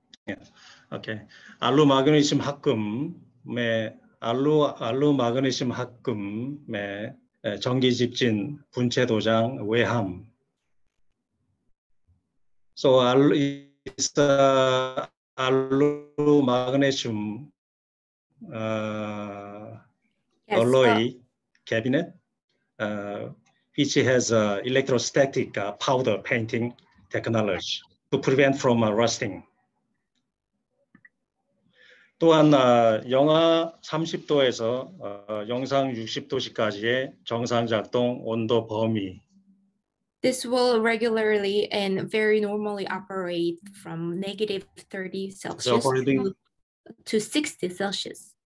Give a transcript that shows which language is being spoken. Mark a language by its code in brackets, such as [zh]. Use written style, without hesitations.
[ko] 예, 오케이. 알루마그네슘 합금에 알루마그네슘 합금에 전기 집진 분체 도장 외함. [en] So it's the alu-magnesium alloy cabinet, which has electrostatic powder painting technology to prevent from rusting. [ko] 또한 영하 30도에서 영상 60도씨까지의 정상 작동 온도 범위. [en] This will regularly and very normally operate from negative 30 Celsius to 60 Celsius.